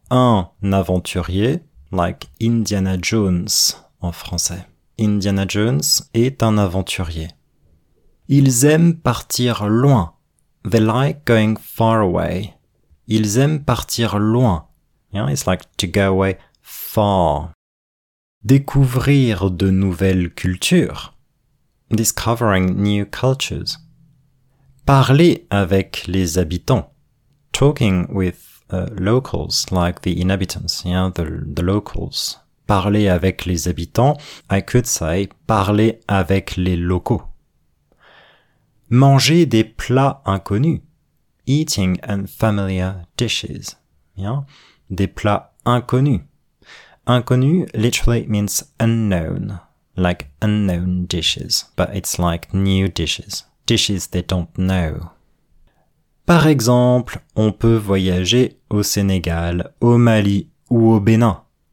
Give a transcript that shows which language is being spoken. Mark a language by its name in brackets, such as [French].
[French] Un aventurier, like Indiana Jones en français. Indiana Jones est un aventurier. Ils aiment partir loin. [English] They like going far away. [French] Ils aiment partir loin. [English] Yeah, it's like to go away far. [French] Découvrir de nouvelles cultures. [English] Discovering new cultures. [French] Parler avec les habitants. [English] Talking with locals, like the inhabitants, yeah, the locals. [French] Parler avec les habitants. [English] I could say [French] parler avec les locaux. Manger des plats inconnus. [English] Eating unfamiliar dishes. [French] Yeah? Des plats inconnus. [English] Inconnu literally means unknown, like unknown dishes, but it's like new dishes, dishes they don't know. [French] Par exemple, on peut voyager au Sénégal, au Mali ou au Bénin.